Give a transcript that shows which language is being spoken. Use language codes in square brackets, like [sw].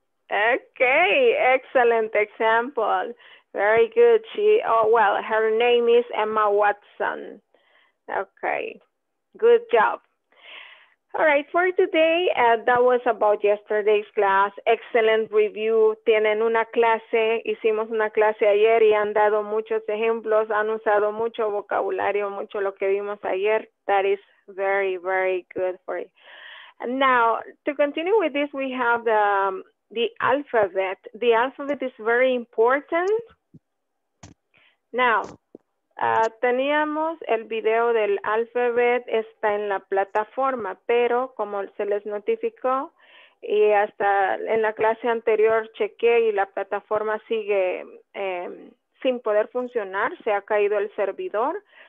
[en] Okay, excellent example. Very good. Her name is Emma Watson. Okay, good job. All right, for today, that was about yesterday's class. Excellent review. [es] Tienen una clase, hicimos una clase ayer y han dado muchos ejemplos, han usado mucho vocabulario, mucho lo que vimos ayer. [en] That is very, very good for you. And now, to continue with this, we have the alphabet. The alphabet is very important. [es] Now, teníamos el video del alphabet, está en la plataforma, pero como se les notificó y hasta en la clase anterior chequé y la plataforma sigue sin poder funcionar, se ha caído el servidor.